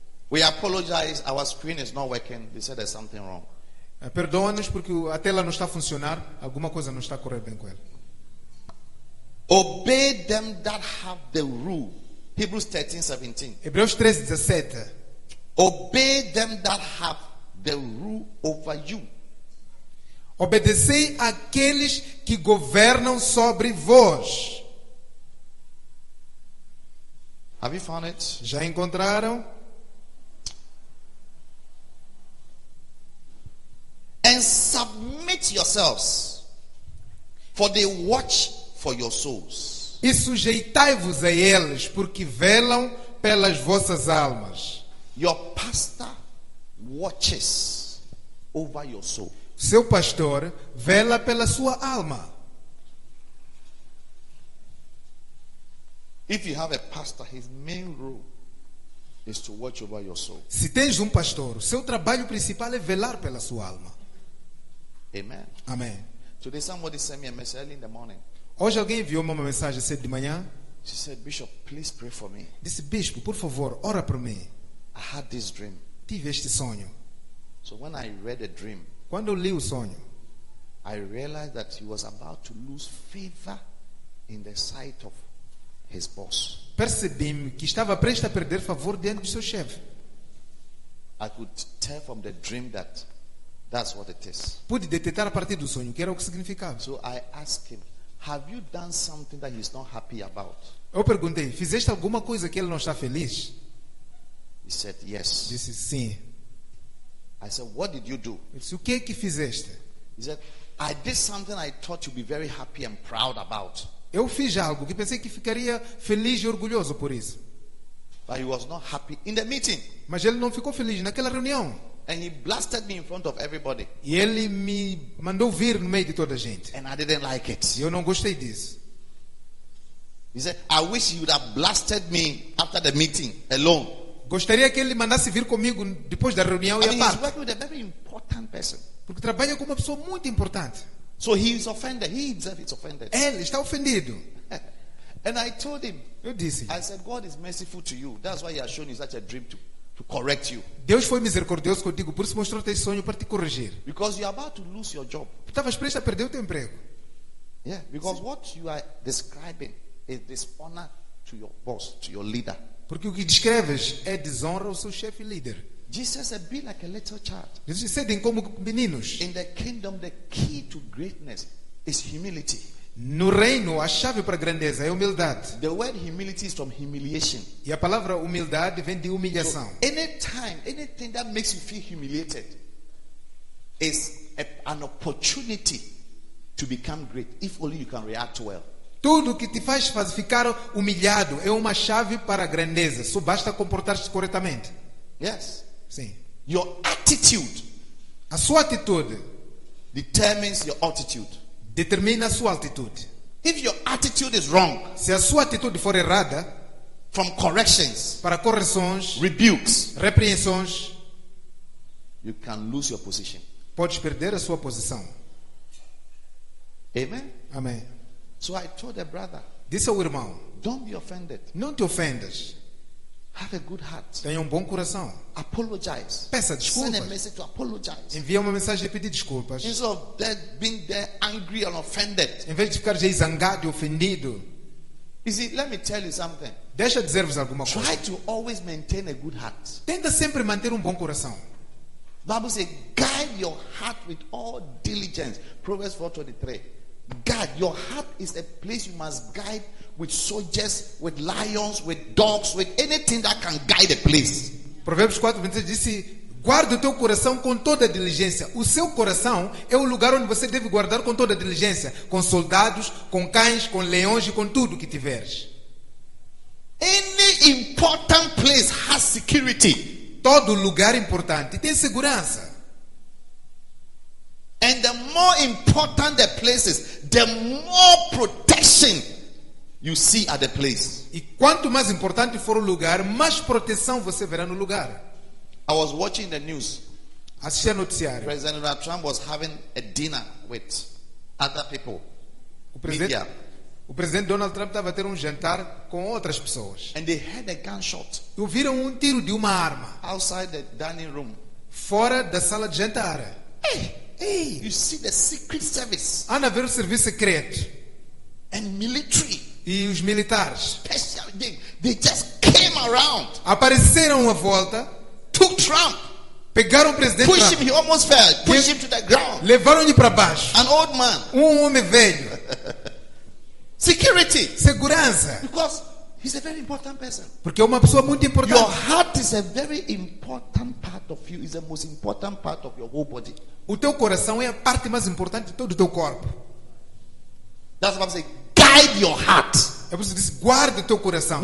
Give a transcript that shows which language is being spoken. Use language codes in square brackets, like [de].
[en] We apologize, our screen is not working. They said there's something wrong. [pt] Perdoa-nos porque a tela não está a funcionar. Alguma coisa não está a correr bem com ela. [en] Obey them that have the rule. Hebreus 13, 17. Hebreus 13, 17. Obey them that have the rule over you. [pt] Obedecei aqueles que governam sobre vós. [en] Have you found it? [pt] Já encontraram? [en] And submit yourselves, for they watch for your souls. [pt] E sujeitai-vos a eles, porque velam pelas vossas almas. [en] Your pastor watches over your soul. [pt] Seu pastor vela pela sua alma. [en] If you have a pastor, his main role is to watch over your soul. [pt] Se tens pastor, seu trabalho principal é velar pela sua alma. [en] Amen. [pt] Amen. [en] Today somebody sent me a message early in the morning. [pt] Hoje alguém enviou-me uma mensagem cedo de manhã. [en] She said, Bishop, please pray for me. [pt] Disse, bispo, por favor, ora por mim. [en] I had this dream. [pt] Tive este sonho. [en] So when I read the dream, [pt] quando li o sonho, [en] I realized that he was about to lose favor in the sight of his boss. [pt] Percebi-me que estava prestes a perder favor diante do seu chefe. [en] I could tell from the dream that that's what it is. [pt] Pude detectar a partir do sonho que era o que significava. [en] So I asked him, have you done something that he's not happy about? [pt] Eu perguntei, fizeste alguma coisa que ele não está feliz? [en] He said yes. [pt] Disse sim. [en] I said, what did you do? [pt] Disse, o que é que fizeste? [en] He said, I did something I thought you'd be very happy and proud about. [pt] Eu fiz algo que pensei que ficaria feliz e orgulhoso por isso. [en] But he was not happy in the meeting. [pt] Mas ele não ficou feliz naquela reunião. [en] And he blasted me in front of everybody. [pt] E ele me mandou vir no meio de toda a gente. [en] And I didn't like it. [pt] E eu não gostei disso. [en] He said, I wish you would have blasted me after the meeting alone. [pt] Gostaria que ele mandasse vir comigo depois da reunião. [en] I mean, [pt] e a parte. [en] He's working with a very important person. [pt] Porque trabalha com uma pessoa muito importante. [en] So he is offended. He deserves it. Offended. [pt] Ele está ofendido. [en] And I told him, [pt] eu disse, [en] I said, God is merciful to you. That's why he has shown you such a dream to. To correct you. [pt] Deus foi misericordioso contigo, por isso mostrou teu sonho para te corrigir. [en] Because you are about to lose your job. [pt] Estavas prestes a perder o teu emprego. [en] Yeah, because sim. What you are describing is dishonor to your boss, to your leader. [pt] Porque o que descreves é desonra ao seu chefe e líder. [en] Jesus said, be like a little child. [pt] Jesus disse, sede como meninos. [en] In the kingdom, the key to greatness is humility. [pt] No reino, a chave para a grandeza é a humildade. [en] The word humility is from humiliation. [pt] E a palavra humildade vem de humilhação. [en] So, anytime, anything that makes you feel humiliated is an opportunity to become great, if only you can react well. [pt] Tudo que te faz ficar humilhado é uma chave para a grandeza, só basta comportar-se corretamente. [en] Yes. [pt] Sim. [en] Your attitude. [pt] A sua atitude [en] determines your altitude. [pt] Determina a sua atitude. [en] If your attitude is wrong, [pt] se a sua atitude for errada, [en] from corrections, [pt] para correções, [en] rebukes, [pt] repreensões, [en] you can lose your position. [pt] Podes perder a sua posição. [en] Amen. [pt] Amém. [en] So I told a brother, [pt] disse ao irmão, [en] don't be offended. [pt] Não te ofendas. [en] Have a good heart. [pt] Tenha bom coração. [en] Apologize. [pt] Peça desculpas. [en] Send a message to apologize. [pt] Envia uma mensagem de pedir desculpas. [en] Instead of being there angry and offended. [pt] Em vez de ficar zangado e ofendido. [en] You see, let me tell you something. [pt] Deixa dizer-vos alguma coisa. [en] Try to always maintain a good heart. [pt] Tenta sempre manter bom coração. [en] Bible says, guard your heart with all diligence. Proverbs 4:23. Guard your heart is a place you must guide. With soldiers, with lions, with dogs, with anything that can guide a place. [pt] Provérbios 4:23 disse, guarda o teu coração com toda a diligência. O seu coração é o lugar onde você deve guardar com toda a diligência. Com soldados, com cães, com leões e com tudo que tiveres. [en] Any important place has security. [pt] Todo lugar importante tem segurança. [en] And the more important the places, the more protection you see at the place. [pt] E quanto mais importante for o lugar, mais proteção você verá no lugar. [en] I was watching the news. [pt] Assistia noticiário. [en] President Donald Trump was having a dinner with other people. [pt] O presidente Donald Trump estava a ter um jantar com outras pessoas. [en] And they heard a gunshot. [pt] E ouviram um tiro de uma arma. [en] Outside the dining room. [pt] Fora da sala de jantar. [en] Hey, you see the secret service. [pt] Ana ver o serviço secreto. [en] And military. [pt] E os militares. [en] Especially they just came around. [pt] Apareceram à volta. [en] Took Trump. [pt] Pegaram o presidente. [en] Push him, he almost fell. Push him to the ground. [pt] Levaram-lhe para baixo. [en] An old man. [pt] Um homem velho. [en] Security. [pt] Segurança. [en] Because he's a very important person. [pt] Porque é uma pessoa muito importante. [en] Your heart is a very important part of you. It's the most important part of your whole body. [pt] O teu coração é a parte mais importante de todo o teu corpo. [en] That's what I'm saying. Guide your heart. [pt] É por isso que diz, guarde o teu coração.